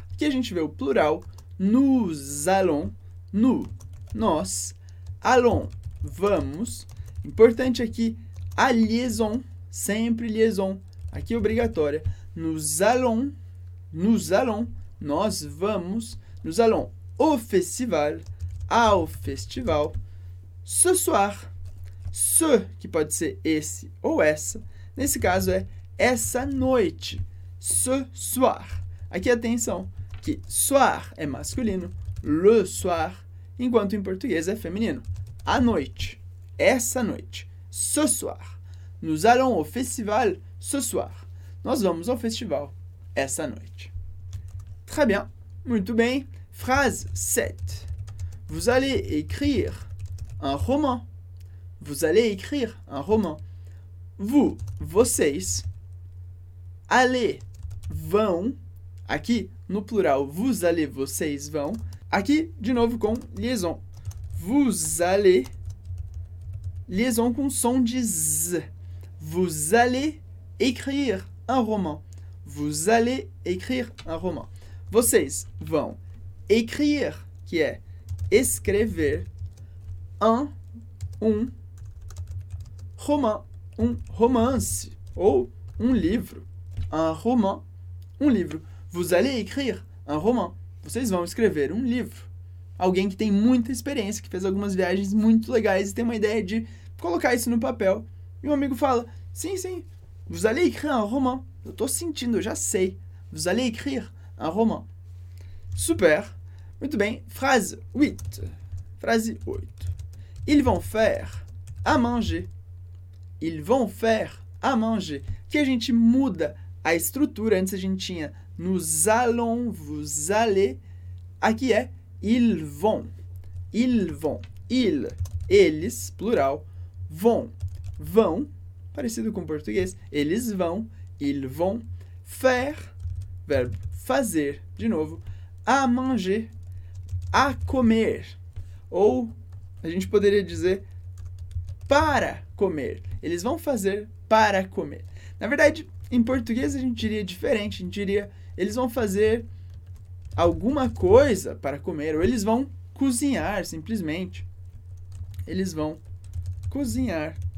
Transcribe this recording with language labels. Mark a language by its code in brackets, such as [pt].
[pt] Aqui a gente vê o plural. [fr] Nous allons. [pt] Nous. Nós. Allons. Vamos. Importante aqui. A liaison. Sempre liaison. Aqui obrigatória. [fr] Nous allons. Nous allons. [pt] Nós vamos. [fr] Nous allons au festival. [pt] Ao festival. Ce soir. Ce, que pode ser esse ou essa. Nesse caso é essa noite. Ce soir. Aqui atenção, que soir é masculino. Le soir. Enquanto em português é feminino. A noite. Essa noite. Ce soir. [fr] Nous allons au festival ce soir. [pt] Nós vamos ao festival essa noite. [fr] Très bien. [pt] Muito bem. [fr] Phrase 7. Vous allez écrire un roman. Vous allez écrire un roman. [pt] Vous, vocês, allez, vão. Aqui, no plural, [fr] vous allez, [pt] vocês, vão. Aqui, de novo, com liaison. [fr] Vous allez, [pt] liaison com som de z. [fr] Vous allez écrire un roman. Vous allez écrire un roman. [pt] Vocês vão écrire, que é escrever, um roman, um romance, ou um livro. Un roman, um livro. [fr] Vous allez écrire un roman. [pt] Vocês vão escrever um livro. Alguém que tem muita experiência, que fez algumas viagens muito legais e tem uma ideia de colocar isso no papel. E um amigo fala, sim, sim, [fr] vous allez écrire un roman. [pt] Eu tô sentindo, eu já sei. [fr] Vous allez écrire un roman. Super. [pt] Muito bem. [fr] Phrase 8. Phrase 8. Ils vont faire à manger. Ils vont faire à manger. [pt] Aqui a gente muda a estrutura. Antes a gente tinha [fr] nous allons, vous allez. [pt] Aqui é [fr] ils vont. Ils vont. [pt] Ils, eles, plural. Vont, vão. Parecido com português. Eles vão. Ils vont faire, verbo fazer, de novo, à manger, à comer. Ou a gente poderia dizer para comer. Eles vão fazer para comer. Na verdade, em português a gente diria diferente. A gente diria eles vão fazer alguma coisa para comer. Ou eles vão cozinhar, simplesmente. Eles vão cozinhar.